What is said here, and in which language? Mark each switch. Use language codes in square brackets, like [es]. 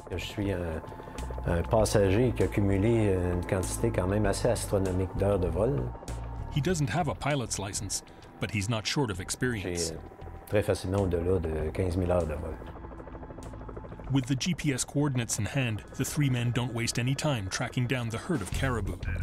[fr] Je suis un passager qui a cumulé une quantité quand même assez astronomique d'heures de vol. [en] He doesn't have a pilot's license, but he's not short of experience. [fr] J'ai très facilement au-delà de 15 000 heures de vol. [en] With the GPS coordinates in hand, the three men don't waste any time tracking down the herd of caribou.